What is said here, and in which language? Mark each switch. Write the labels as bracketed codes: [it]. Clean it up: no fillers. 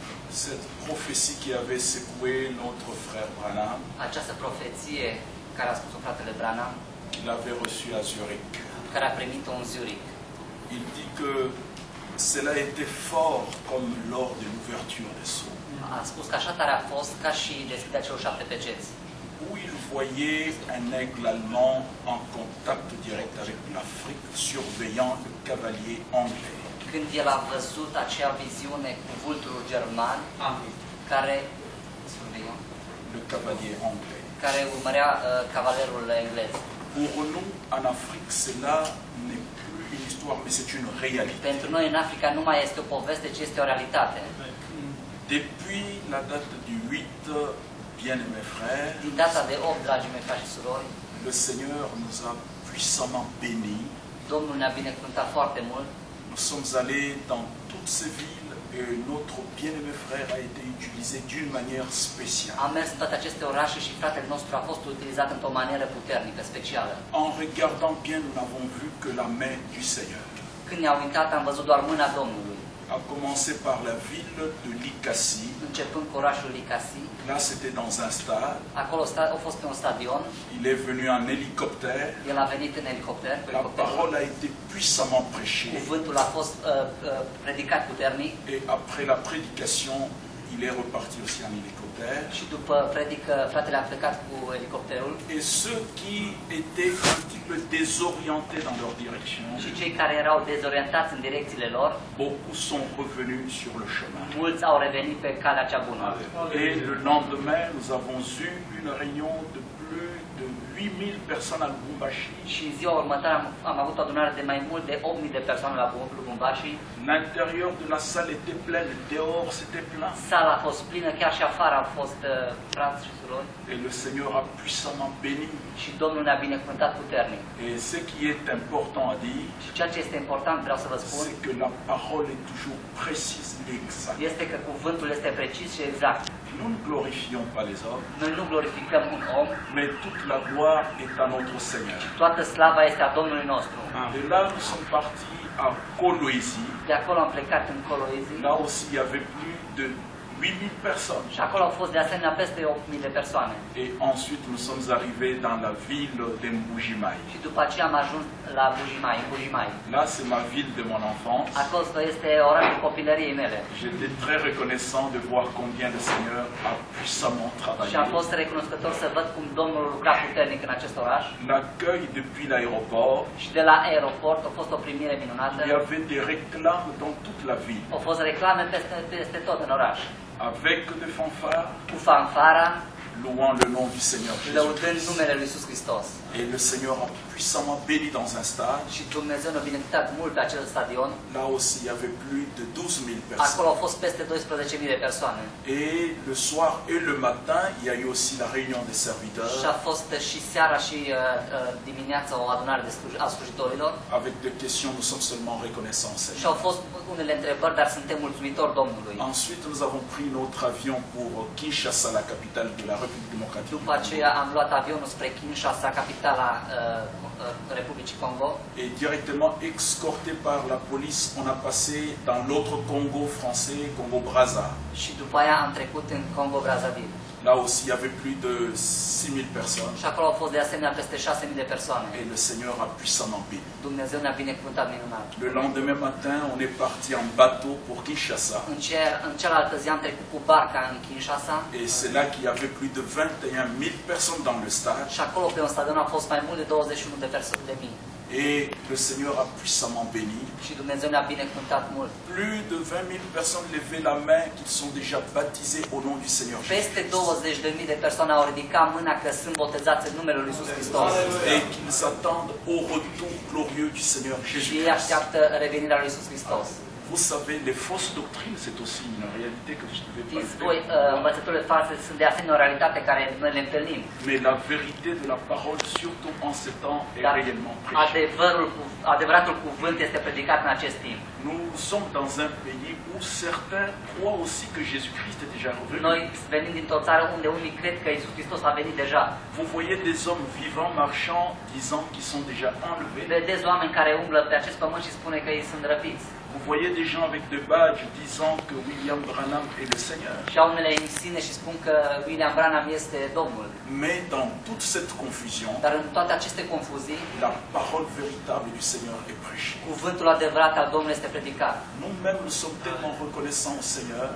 [fr] cette prophétie qui avait secoué notre frère Branham, qu'il avait reçue à Zurich. Il dit que cela a été fort comme lors de l'ouverture des sceaux. [ro] A spus că așa tare a fost ca și deschiderea celor șapte pegeți. [fr] Où il voyait un aigle allemand en contact direct avec l'Afrique, surveillant le cavalier anglais. [ro] Când el a văzut acea viziune cu vulturul german, care [fr] surveillant le cavalier anglais, [ro] care urmărea cavalerul englez. [fr] Pour nous, en Afrique, cela n'est pas une histoire, mais c'est une réalité. [ro] Pentru noi în Africa nu mai este o poveste, ci este o realitate. [fr] Depuis la date du 8, bien-aimés frères, [ro] din data de 8, dragi mei frați și surori, [fr] le Seigneur nous a puissamment bénis. [ro] Domnul ne-a binecuvântat foarte mult. [fr] Nous sommes allés dans toutes ces villes et notre bien-aimé frère a été utilisé d'une manière spéciale. [ro] Am mers în toate aceste orașe și fratele nostru a fost utilizat într-o manieră puternică, specială. [fr] En regardant bien, nous n'avons vu que la main du Seigneur. [ro] Când ne-am uitat, am văzut doar mâna Domnului. [fr] A commencé par la ville de Licassi. [ro] Începând cu orașul Licassi. [fr] Là, c'était dans un stade. [ro] Acolo a fost pe un stadion. [fr] Il est venu en hélicoptère. [ro] El a venit în elicopter. [fr] La parole a été puissamment prêchée. [ro] Cuvântul a fost predicat puternic. [fr] Et après la prédication, il est reparti aussi en hélicoptère. [ro] Și după predică, fratele a plecat cu elicopterul. [fr] Et ceux qui étaient un petit peu désorientés dans leur direction. [ro] Și cei care erau dezorientați în direcțiile lor. [fr] Beaucoup sont revenus sur le chemin. [ro] Mulți au revenit pe calea cea bună. [fr] Allez. Et le lendemain, nous avons eu une réunion de plus de 8000 personnes à Lubumbashi. [ro] Și în ziua următoare am avut o adunare de mai mult de 8000 de persoane la Lubumbashi. [fr] L'intérieur de la salle était plein, dehors c'était plein. [ro] Sala a fost plină, chiar și afară a fost frați și surori. [fr] Et le Seigneur a puissamment béni. [ro] Și Domnul ne-a binecuvântat puternic. [fr] Et ce qui est important à dire. [ro] Și ceea ce este important vreau să vă spun. [fr] C'est que la parole est toujours précise et exacte. [ro] Este că cuvântul este precis și exact. [fr] Nous ne glorifions pas les hommes. [ro] Noi nu glorificăm un om. [fr] Mais toute la gloire est à notre Seigneur. [ro] Toată slava este a Domnului nostru. [fr] De là nous sommes partis à Coloisi. [ro] De acolo am plecat în Coloisi. [fr] Là aussi il y avait plus de 8000 personnes. [ro] Și acolo au fost de asemenea peste 8000 de persoane. [fr] Et ensuite nous sommes arrivés dans la ville de Mbujimayi. [ro] Și după aceea am ajuns la Mbujimayi, Mbujimayi. [fr] Là c'est ma ville de mon enfance. [ro] Acolo este orașul copilăriei mele. [fr] J'étais très reconnaissant de voir combien le Seigneur a puissamment travaillé. [ro] Și am fost recunoscător să văd cum Domnul lucra puternic în acest oraș. [fr] L'accueil depuis l'aéroport. [ro] Și de la aeroport a fost o primire minunată. [fr] Il y avait des réclames dans toute la ville. [ro] Au fost reclame peste tot în oraș. [fr] Avec de fanfare, [ro] cu fanfara, [fr] louant le nom du Seigneur Jésus. [ro] Lăudând numele lui Iisus Hristos. [fr] Et le Seigneur a puissamment béni dans un stade. [ro] Și Dumnezeu ne-a binecuvântat mult pe acel stadion. [fr] Là aussi, il y avait plus de 12000 personnes. [ro] Acolo au fost peste 12000 de persoane. [fr] Et le soir et le matin, il y a eu aussi la réunion des serviteurs. [ro] Și a fost și seara și dimineața o adunare a slujitorilor. [fr] Avec des questions, nous sommes seulement reconnaissants. [ro] Și au fost unele întrebări, dar suntem mulțumitori Domnului. [fr] Ensuite, nous avons pris notre avion pour Kinshasa, la capitale de la République démocratique. [ro] După aceea am luat avionul spre Kinshasa, capitala Republicii Congo. [fr] Et directement escorté par la police, on a passé dans l'autre Congo français, Congo Brazza. [ro] Și după aia am trecut în Congo Brazzaville. [fr] Là aussi, il y avait plus de 6000 personnes. [ro] Și acolo au fost de asemenea peste 6000 de persoane. [fr] Et le Seigneur a puissamment béni. [ro] Dumnezeu ne-a binecuvântat minunat. [fr] Le lendemain matin, on est parti en bateau pour Kinshasa. [ro] În cealaltă zi am trecut cu barca în Kinshasa. [fr] Et c'est là qu'il y avait plus de 21000 personnes dans le stade. [ro] Și acolo pe un stadion a fost mai mult de 21 de persoane de mii. [fr] Et le Seigneur a puissamment béni. [ro] Și Dumnezeu ne-a binecuvântat mult. [fr] Plus de 20000 personnes levaient la main qu'ils sont déjà baptisés au nom du Seigneur Jésus. [ro] Peste 20000 de persoane au ridicat mâna că sunt botezați în numele lui Iisus Hristos. [fr] Et qu'ils s'attendent au retour glorieux du Seigneur Jésus. [ro] Ei așteaptă revenirea lui Iisus Hristos. [fr] Vous savez, les fausses doctrines, c'est aussi une réalité que je devais pas. [ro] Voi, învățăturile false sunt de asemenea o realitate care noi le întâlnim. [fr] Mais la vérité de la parole, surtout en ce temps, est réellement prêchée. [ro] Adevăratul cuvânt este predicat în acest timp. [fr] Nous sommes dans un pays où certains croient aussi que Jésus-Christ est déjà revenu. [ro] Noi venim dintr-o țară unde unii cred că Iisus Hristos a venit deja. [fr] Vous voyez des hommes vivants marchant disant qu'ils sont déjà enlevés. [ro] Vedeți oameni care umblă pe acest pământ și spune că ei sunt răpiți. [fr] Vous voyez des gens avec des badges disant que William Branham est le Seigneur. [ro] Jaunele în sine și spun că William Branham este Domnul. [fr] Mais dans toute cette confusion, [ro] dar în toate aceste confuzii, [fr] la parole véritable du Seigneur est prêchée. [ro] Cuvântul adevărat al Domnului este predicat. [fr] Nous-mêmes nous sommes tellement reconnaissants au Seigneur.